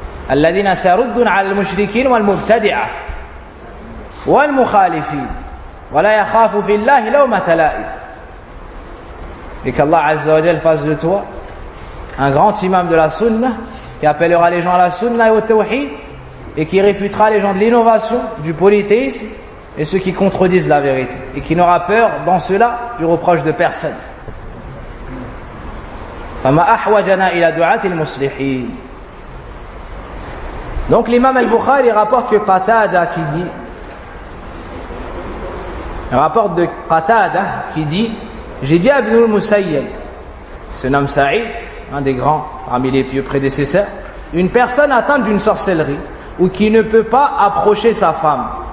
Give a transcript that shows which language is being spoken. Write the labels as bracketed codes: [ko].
[ar] الذين سرد على المشركين والمبتدعة والمخالفين ولا يخاف في الله لومة لائم [fr] et qu'Allah عز وجل fasse de toi un grand imam de la sunna qui appellera les gens à la sunna et au tawhid et qui réfutera les gens de l'innovation du polythéisme et ceux qui contredisent la vérité et qui n'aura peur dans cela du reproche de personne. [ar] فما أحوجنا إلى دعاة المصلحين. [fr] Donc l'imam al-Bukhari rapporte que Qatada qui dit, rapporte de Qatada qui dit, j'ai dit à Ibn al-Musayyib, ce nom Saïd, un des grands parmi les pieux prédécesseurs, une personne atteinte d'une sorcellerie ou qui ne peut pas approcher sa femme.